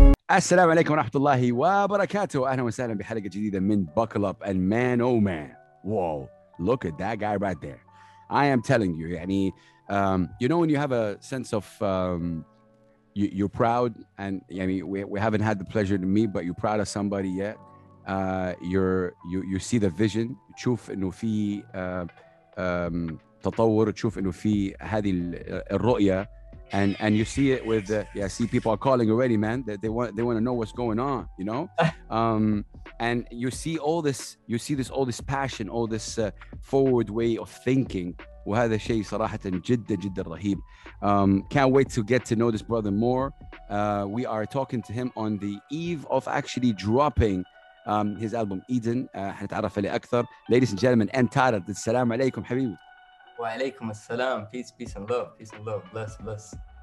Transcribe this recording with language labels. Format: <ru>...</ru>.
<ar>السلام عليكم ورحمة الله وبركاته. أهلا وسهلا بحلقة جديدة من Buckle Up and Man Oh Man.</ar> <en>Whoa, look at that guy right there. I am telling you, يعني, you know when you have a sense of you're proud, and يعني, we haven't had the pleasure to meet, but you're proud of somebody yet. You see the vision.</en> <ar>تشوف إنه في تطور. تشوف إنه في هذه الرؤية.</ar> <en>And you see it with see people are calling already, man. That they want to know what's going on, you know. And you see all this, all this passion, all this forward way of thinking.</en> <ar>وهذا شيء صراحة جدا جدا رهيب.</ar> <en>Can't wait to get to know this brother more. We are talking to him on the eve of actually dropping his album Eden.</en> <ar>حنتعرف عليه أكثر.</ar> <en>Ladies and gentlemen,</en> <ar>Entitled. السلام عليكم حبيبي. وعليكم السلام.</ar> <en>Peace and love. Peace and love. Bless.</en>